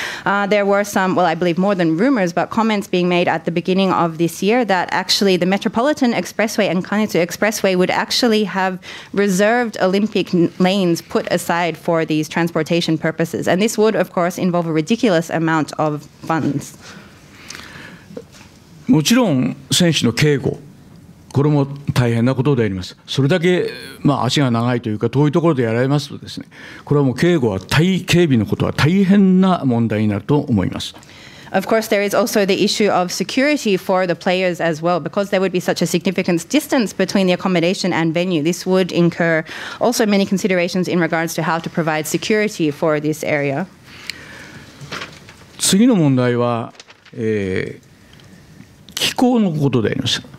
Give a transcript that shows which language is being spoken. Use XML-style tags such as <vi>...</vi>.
<en>There were some, well, I believe more than rumors, but comments being made at the beginning of this year that actually the Metropolitan Expressway and Kanetsu Expressway would actually have reserved Olympic lanes put aside for these transportation purposes. And this would, of course, involve a ridiculous amount of funds.</en> <ja>もちろん選手の警護、これも大変なことであります。それだけ、まあ、足が長いというか遠いところでやられますとですね、これはもう警護は警備のことは大変な問題になると思います。</ja> <en>Of course, there is also the issue of security for the players as well, because there would be such a significant distance between the accommodation and venue. This would incur also many considerations in regards to how to provide security for this area.</en> <ja>次の問題は、気候のことであります。</ja>